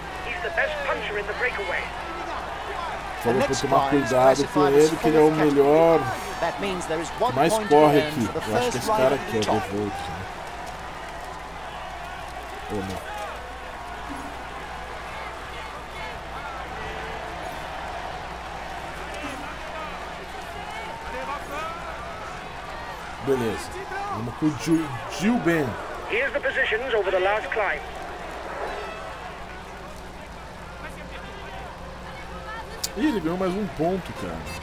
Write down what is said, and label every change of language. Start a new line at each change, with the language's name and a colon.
English: He's the best puncher in the breakaway.
Portuguese: Falou para tomar cuidado com ele, que ele é o melhor. Mais corre aqui. Eu acho que esse cara aqui é o Volt, né? Ou não? Beleza, vamos com o Gil Ben.
English: Here's the positions over the last climb.
Portuguese: Ih, ele ganhou mais um ponto, cara.